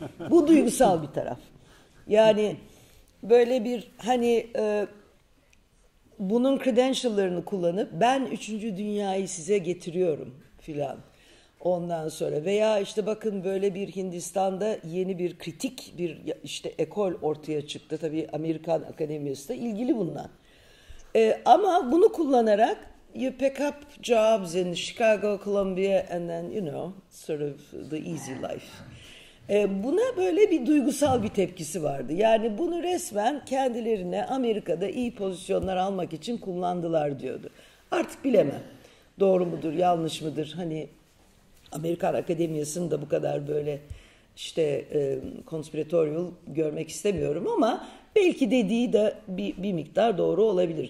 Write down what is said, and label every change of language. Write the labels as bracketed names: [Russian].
[Turkish] Bu duygusal bir taraf. Yani böyle bir hani bunun credential'larını kullanıp ben 3. dünyayı size getiriyorum filan. Ondan sonra veya işte bakın böyle bir Hindistan'da yeni bir kritik bir işte ekol ortaya çıktı. Tabii Amerikan akademisi de ilgili bundan. Ama bunu kullanarak [English] you pick up jobs in Chicago, Columbia and then you know sort of the easy life. [Turkish] Buna böyle bir duygusal bir tepkisi vardı. Yani bunu resmen kendilerine Amerika'da iyi pozisyonlar almak için kullandılar diyordu. Artık bilemem doğru mudur, yanlış mıdır? Hani Amerikan akademisinin de bu kadar böyle işte conspiratorial görmek istemiyorum ama belki dediği de bir miktar doğru olabilir.